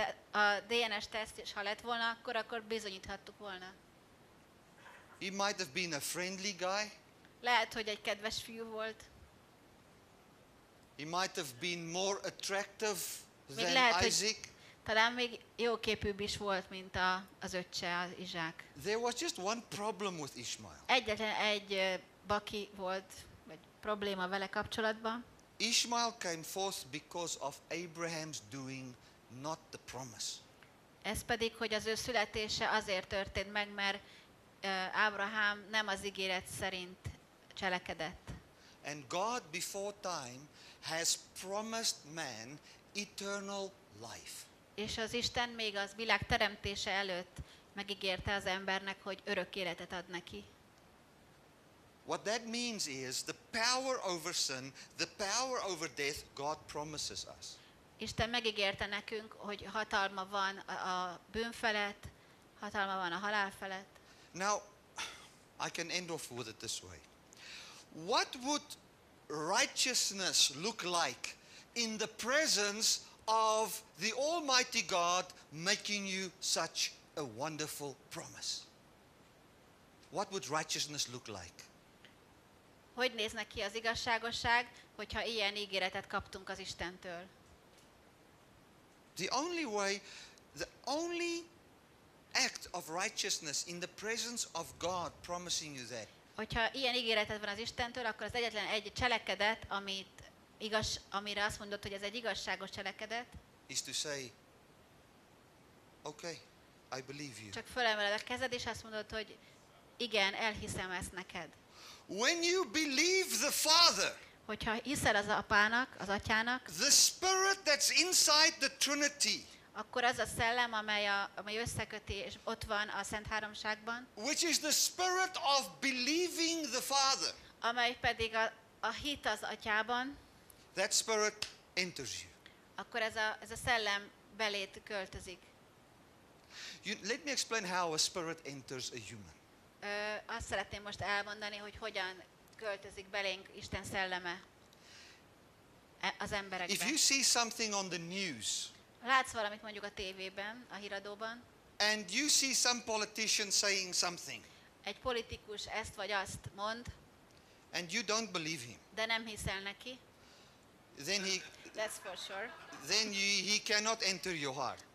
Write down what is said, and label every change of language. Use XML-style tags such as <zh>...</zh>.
<hu>A DNS teszt is, ha lett volna, akkor bizonyíthattuk volna.</hu> <en>He might have been a friendly guy.</en> <hu>Lehet, hogy egy kedves fiú volt.</hu> <en>He might have been more attractive than Isaac.</en> <hu>Talán még jó képűbb is volt, mint az öccse, az Izsák.</hu> <en>There was just one problem with Ishmael.</en> <hu>Egyetlen egy baki volt, vagy probléma vele kapcsolatban.</hu> <en>Ishmael came forth because of Abraham's doing, not the promise.</en> <hu>Ez pedig, hogy az ő születése azért történt meg, mert Ábrahám nem az ígéret szerint cselekedett.</hu> <en>And God before time has promised man eternal life.</en> <hu>És az Isten még az világ teremtése előtt megígérte az embernek, hogy örök életet ad neki.</hu> <en>What that means is the power over sin, the power over death God promises us.</en> <hu>Isten megígérte nekünk, hogy hatalma van a bűn felett, hatalma van a halál felett.</hu> <en>Now I can end off with it this way. What would righteousness look like in the presence of the Almighty God making you such a wonderful promise? What would righteousness look like?</en> <hu>Hogy nézne ki az igazságosság, hogyha ilyen ígéretet kaptunk az Istentől?</hu> <en>The only way, the only act of righteousness in the presence of God promising you that</en> <hu>Hogyha ilyen ígéreted van az Istentől, akkor az egyetlen egy cselekedet, amit igaz, amire azt mondod, hogy ez egy igazságos cselekedet.</hu> <en>Is to say, okay, I believe you.</en> <hu>Csak felemeled a kezed és azt mondod, hogy igen, elhiszem ezt neked.</hu> <en>When you believe the Father.</en> <hu>Hogyha hiszel az apának, az atyának.</hu> <en>The Spirit that's inside the Trinity.</en> <hu>Akkor az a szellem, amely a, amely összeköti és ott van a Szent Háromságban.</hu> <en>Which is the Spirit of believing the Father.</en> <hu>Amely pedig a hit az atyában.</hu> <en>That Spirit enters you.</en> <hu>Akkor ez a, ez a szellem beléd költözik.</hu> <en>You, let me explain how a spirit enters a human.</en> <hu>Azt szeretném most elmondani, hogy hogyan költözik belénk Isten szelleme az emberekbe.</hu> <en>If you see something on the news,</en> <hu>látsz valamit mondjuk a tévében, a híradóban,</hu> <en>and you see some politician saying something,</en> <hu>egy politikus ezt vagy azt mond,</hu> <en>and you don't believe him,</en> <hu>de nem hiszel neki,</hu> <en>then he, that's for sure, then you, he cannot enter your heart.</en>